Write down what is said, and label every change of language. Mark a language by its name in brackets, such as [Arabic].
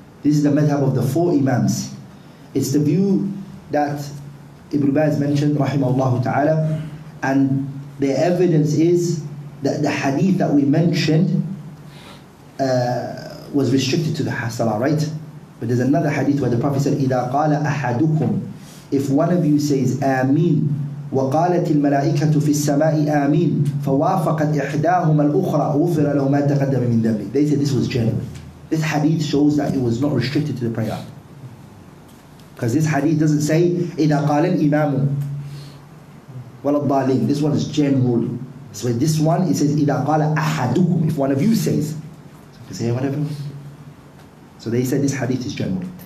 [English] This is the madhhab of the four imams. It's the view that Ibn Baz mentioned, rahimahullah ta'ala, and the evidence is the hadith that we mentioned was restricted to the salah, right? But there's another hadith where the Prophet said, [Arabic] إِذَا قَالَ أَحَدُكُمْ, [English] if one of you says, Ameen, [Arabic] وَقَالَتِ الْمَلَائِكَةُ فِي السَّمَاءِ Ameen, فَوَافَقَتْ إِحْدَاهُمَ الْأُخْرَى غُفِرَ لَهُ مَا تَقَدَّمَ مِنْ ذَنْبِ. [English] They said this was genuine. This hadith shows that it was not restricted to the prayer. Because this hadith doesn't say, [Arabic] إِذَا قَالَ الْإِمَامُ وَلَا الضَّالِينَ. [English] This one is general. So with this one, it says, [Arabic] إِذَا قَالَ أَحَدُكُمْ, [English] if one of you says. So you can say whatever. So they said this hadith is general.